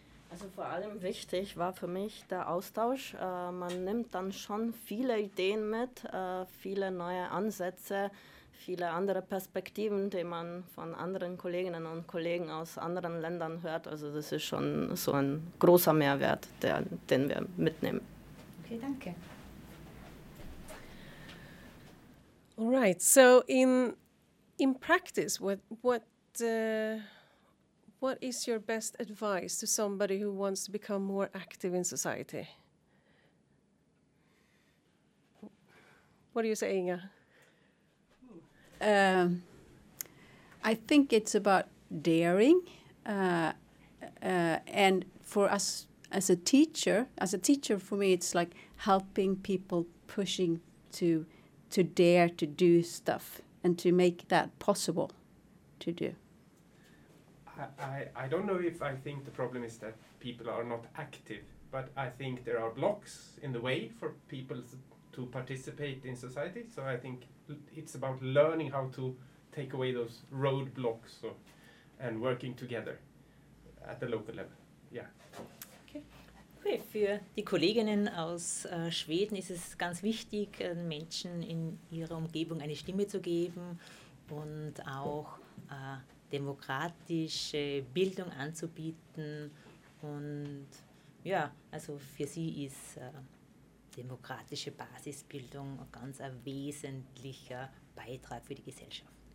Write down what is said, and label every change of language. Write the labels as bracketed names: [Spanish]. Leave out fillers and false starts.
[German] Also vor allem wichtig war für mich der Austausch. Man nimmt dann schon viele Ideen mit, viele neue Ansätze, viele andere Perspektiven, die man von anderen Kolleginnen und Kollegen aus anderen Ländern hört. Also das ist schon so ein großer Mehrwert, den wir mitnehmen. Okay, danke. [English] All right, so in practice, what is your best advice to somebody who wants to become more active in society? What do you say, Inga? I think it's about daring. And for us as a teacher, for me, it's like helping people pushing to dare to do stuff and to make that possible to do. I don't know if I think the problem is that people are not active, but I think there are blocks in the way for people to participate in society. So I think it's about learning how to take away those roadblocks and working together at the local level. Yeah. Okay. [German] Für die Kolleginnen aus Schweden ist es ganz wichtig, Menschen in ihrer Umgebung eine Stimme zu geben und auch demokratische Bildung anzubieten. Und ja, also für sie ist demokratische Basisbildung ein ganz ein wesentlicher Beitrag für die Gesellschaft.